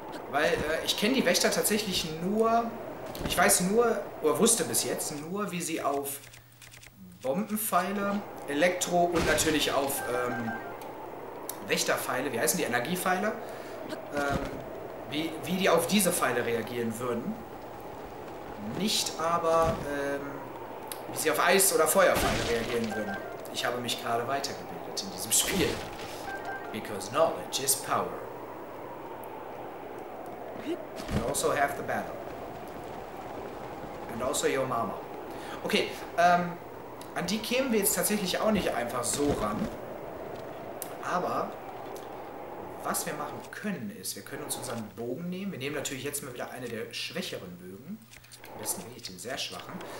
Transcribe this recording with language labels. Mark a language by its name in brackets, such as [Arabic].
[German] Weil ich kenne die Wächter tatsächlich nur... Ich weiß nur, oder wusste bis jetzt nur, wie sie auf Bombenpfeile, Elektro und natürlich auf Wächterpfeile, wie heißen die, Energiepfeile, wie die auf diese Pfeile reagieren würden. Nicht aber, wie sie auf Eis- oder Feuerpfeile reagieren würden. Ich habe mich gerade weitergebildet in diesem Spiel. [English] Because knowledge is power. And also have the battle. And also your mama. [German] Okay, an die kämen wir jetzt tatsächlich auch nicht einfach so ran. Aber was wir machen können ist, wir können uns unseren Bogen nehmen. Wir nehmen natürlich jetzt mal wieder eine der schwächeren Bögen. Am besten wirklich den sehr schwachen.